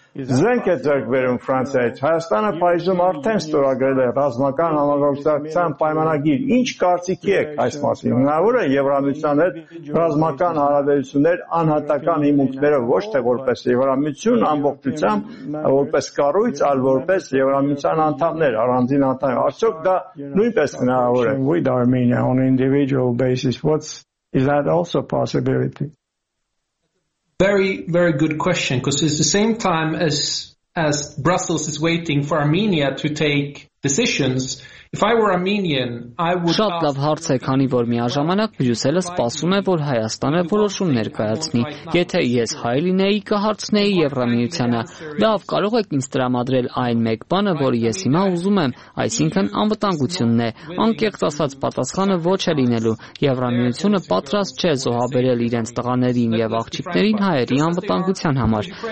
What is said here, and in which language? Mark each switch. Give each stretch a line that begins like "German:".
Armenian: զենք է ձեռք բերում Ֆրանսիայից։ Հայաստանը Փարիզում արդեն ստորագրել է ռազմական համագործակցության պայմանագիր։ Ինչ կարծիքի եք այս մասին։ Հնարավոր է Եվրամիության հետ ռազմական հարաբերություններ անհատական հիմունքներով, ոչ թե որպես Եվրամիություն ամբողջությամբ, որպես կառույց, այլ որպես Եվրամիության անդամներ, առանձին անդամներ։ Արդյոք դա նույնպես հնարավոր է։
English: With Armenia on individual basis, what's is that also a possibility? Very, very good question, because it's the same time as Brussels is waiting for Armenia to take decisions. If I were Armenian, I would.
Armenian: Շատ լավ հարց է, քանի որ միաժամանակ Բրյուսելը սպասում է, որ Հայաստանը որոշում ներկայացնի։ Եթե ես հայ լինեի, կհարցնեի Եվրամիությանը. Լավ, կարող եք ինձ տրամադրել այն մեկ բանը, որ ես հիմա ուզում եմ, այսինքն անվտանգությունն է։ Անկեղծ ասած, պատասխանը ոչ է լինելու։ Եվրամիությունը պատրաստ չէ զոհաբերել իրենց տղաներին եւ աղջիկներին հայերի անվտանգության համար։